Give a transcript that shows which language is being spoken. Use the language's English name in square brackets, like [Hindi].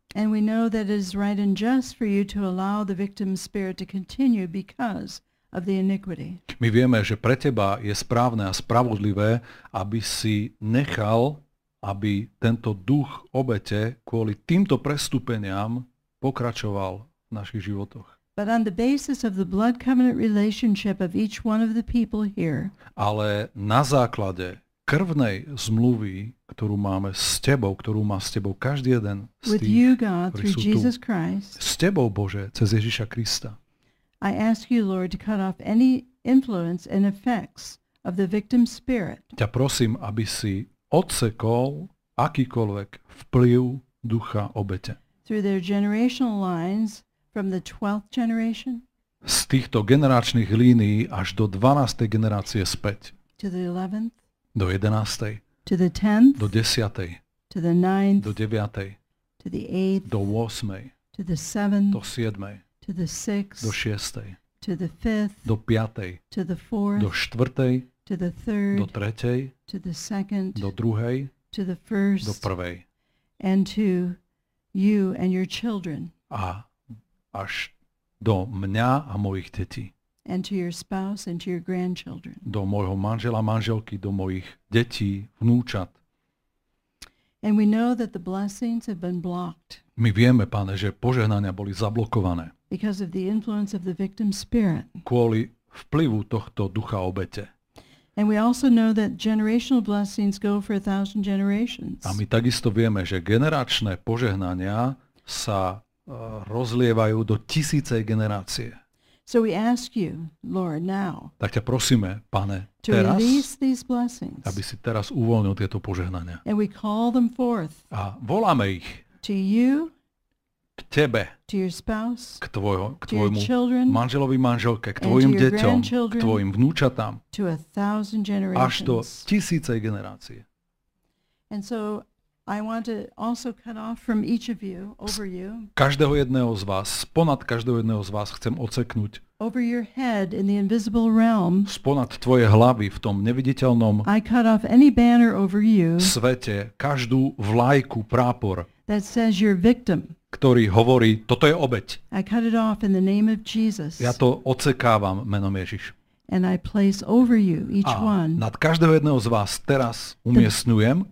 [English] And we know that it is right and just for you to allow the victim's spirit to continue because of the iniquity. [Slovak] My vieme, že pre teba je správne a spravodlivé, aby si nechal, aby tento duch obete kvôli týmto prestúpeniam pokračoval v našich životoch. [English] But on the basis of the blood covenant relationship of each one of the people here. [Slovak] Ale na základe krvnej zmluvy, ktorú máme s tebou, ktorú má s tebou každý jeden z tých, [English] with you, God, through Jesus Christ. [Slovak] S tebou, Bože, cez Ježiša Krista. [English] I ask you, Lord, to cut off any influence and effects of the victim's spirit. [Slovak] Ťa prosím, aby si odsekol akýkoľvek vplyv ducha obete. [English] Through their generational lines from the 12th generation. [Slovak] Z týchto generačných línií až do 12. generácie späť. [English] To the 11th. [Slovak] Do 11. [English] To the 10th. [Slovak] Do 10. [English] To the 9th. [Slovak] Do 9. [English] To the 8th. [Slovak] Do 8. [English] To the 7th. [Slovak] Do 7. [English] To the 6th. [Slovak] Do 6. [English] To the 5th. [Slovak] Do 5. [English] To the 4th. [Slovak] Do 4. [English] To the 3rd. [Slovak] Do 3. [English] To the 2nd. [Slovak] Do 2. [English] To the 1st. [Slovak] Do 1. [English] And to you and your children. [Slovak] A až do mňa a mojich detí. [English] And to your spouse and to your grandchildren. [Slovak] Do môjho manžela, manželky, do mojich detí, vnúčat. [English] And we know that the blessings have been blocked. [Slovak] My vieme, Pane, že požehnania boli zablokované. [English] Because of the influence of the victim's spirit. [Slovak] Kvôli vplyvu tohto ducha obete. [English] And we also know that generational blessings go for 1,000 generations. [Slovak] A my takisto vieme, že generačné požehnania sa rozlievajú do tisícej generácie. [English] So we ask you, Lord, now. [Slovak] Tak ťa prosíme, Pane, [English] to [Slovak] teraz, [English] release these blessings. [Slovak] Aby si teraz uvoľnil tieto požehnania. [English] And we call them forth. [Slovak] A voláme ich. [English] To you. [Slovak] K tebe, [English] to your spouse, [Slovak] k tvojmu manželovi, manželke, k tvojim deťom, k tvojim vnúčatám, až do tisícej generácie. [English] And so I want to also cut off from each of you, over you. [Slovak] Každého jedného z vás, ponad každého jedného z vás chcem odseknúť. [English] Over your head in the invisible realm. [Slovak] Sponad tvoje hlavy v tom neviditeľnom. [English] I cut off any banner over you. [Slovak] Svete, každú vlajku, prápor. [English] That says you're victim. [Slovak] Ktorý hovorí, toto je obeť. [English] I cut it off in the name of Jesus. [Slovak] Ja to odsekávam menom Ježiš. [English] And I place over you each one. [Slovak] Nad každého jedného z vás teraz umiestňujem